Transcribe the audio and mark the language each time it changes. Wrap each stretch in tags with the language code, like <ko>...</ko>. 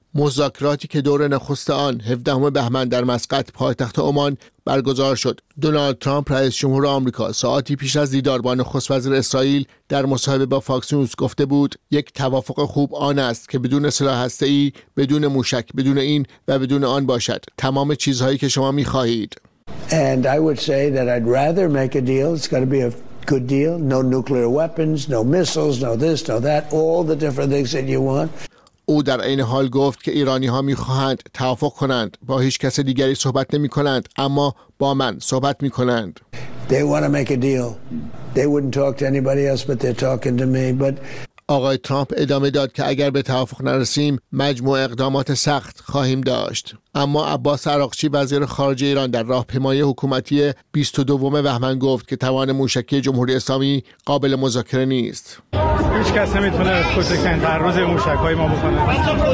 <fa>مذاکراتی که دور نخست آن 17 بهمن در مسقط پایتخت عمان برگزار شد، دونالد ترامپ رئیس جمهور آمریکا ساعتی پیش از دیدار با نخست وزیر اسرائیل در مصاحبه با فاکس نیوز گفته بود یک توافق خوب آن است که بدون سلاح هسته‌ای، بدون موشک، بدون این و بدون آن باشد، تمام چیزهایی که شما می‌خواهید.</fa> <en>And I would say that I'd rather make a deal. It's going to be a good deal. No nuclear weapons, no missiles, no this, no that, all the different things that you want. او در این حال گفت که ایرانی ها می خواهند توافق کنند، با هیچ کس دیگری صحبت نمی کنند اما با من صحبت می کنند. They want to make a deal. They wouldn't talk to anybody else but they're talking to me. But</en> <fa>آقای ترامپ ادامه داد که اگر به توافق نرسیم مجموع اقدامات سخت خواهیم داشت. اما عباس عراقچی وزیر خارجه ایران در راهپیمایی حکومتی 22 بهمن گفت که توان موشکی جمهوری اسلامی قابل مذاکره نیست. هیچ کس نمیتونه کوچکترین تعرض موشک‌های ما بکنه.</fa>